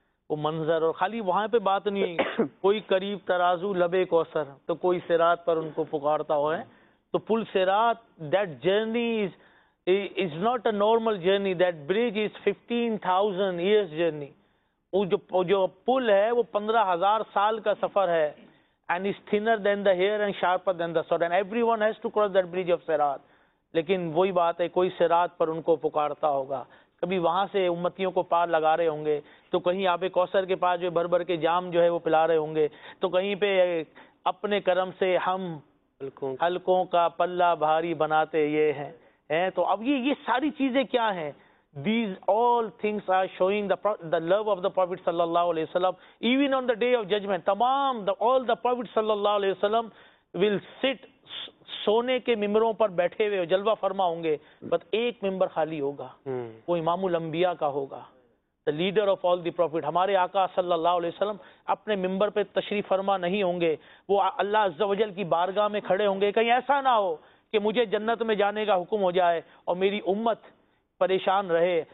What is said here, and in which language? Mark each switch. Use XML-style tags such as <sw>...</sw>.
<hi>वो मंजर और खाली वहाँ पे बात नहीं है कोई करीब तराजू लबे कौसर तो कोई सिरात पर उनको पुकारता हो है तो पुल सिरात</hi> <en>That journey is is not a normal journey. That bridge is 15,000 years journey.</en> <hi>जो पुल है वो 15,000 साल का सफर है.</hi> <en>And it's thinner than the hair and sharper than the sword. And everyone has to cross that bridge of Sirat.</en> <hi>लेकिन वही बात है, कोई सिरात पर उनको पुकारता होगा. कभी वहां से उम्मतियों को पार लगा रहे होंगे, तो कहीं आबे कौसर के पास जो भर भर के जाम जो है वो पिला रहे होंगे, तो कहीं पे अपने कर्म से हम हलकों का पल्ला भारी बनाते ये हैं. है तो अब ये सारी चीजें क्या हैं?</hi> <en>These all things are showing the love of the Prophet sallallahu alaihi wasallam. Even on the day of judgment, tamam the all the Prophet sallallahu alaihi wasallam will sit</en> <hi>सोने के मिम्बरों पर बैठे हुए जलवा फरमा होंगे, बट एक मिम्बर खाली होगा. वो इमामुल अंबिया का होगा,</hi> <en>The leader of all the prophet.</en> <hi>हमारे आका सल्लल्लाहु अलैहि वसल्लम अपने मिम्बर पे तशरीफ फरमा नहीं होंगे, वो अल्लाह अज़्ज़ा वजल की बारगाह में खड़े होंगे. कहीं ऐसा ना हो कि मुझे जन्नत में जाने का हुक्म हो जाए और मेरी उम्मत परेशान रहे.</hi>